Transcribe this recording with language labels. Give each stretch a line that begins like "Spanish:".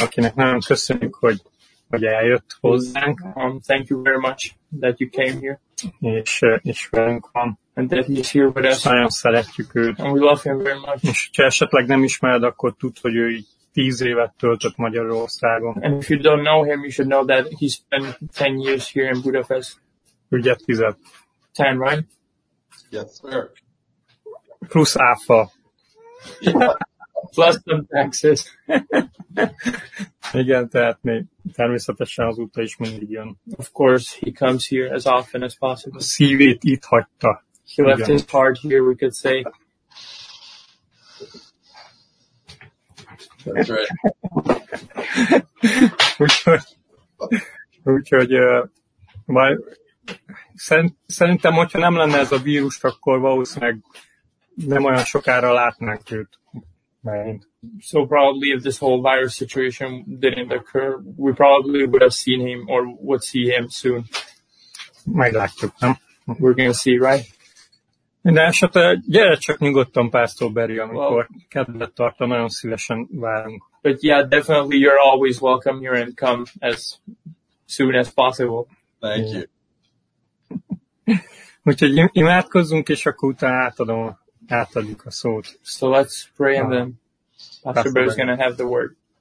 Hungarian: Akinek nagyon köszönjük, hogy eljött hozzánk.
English: Thank you very much that you came here.
Hungarian: És velünk van.
English: And that he's here with us.
Hungarian: Nagyon szeretjük őt.
English: And we love him very much.
Hungarian: És ha esetleg nem ismered, akkor tud, hogy ő 10 évet töltött Magyarországon.
English: And if you don't know him, you should know that he spent 10 years here in Budapest.
Hungarian: Ugye 10-et?
English: 10, right? Yes, sir.
Hungarian: Plusz áfa.
English: Plus some taxes.
Hungarian: Igen, tehát még természetesen azóta is mindig jön.
English: Of course, he comes here as often as possible.
Hungarian: Szívét itt hagyta.
English: He left his heart here, we could say.
Hungarian: Úgyhogy majd szerintem, hogyha nem lenne ez a vírus, akkor valószínűleg nem olyan sokára látnánk őt.
English: So probably if this whole virus situation didn't occur, we probably would have seen him or would see him soon.
Hungarian: Meglátjuk, nem?
English: We're gonna see, right?
Hungarian: De esetleg gyere csak nyugodtan, Pastor Barry, amikor kedvet tart, nagyon szívesen várunk.
English: But yeah, definitely you're always welcome here and come as soon as possible. Thank you.
Hungarian: Úgyhogy imádkozzunk, és akkor utána átadjuk a szót.
English: So let's pray and then Pastor Barry is going to have the word.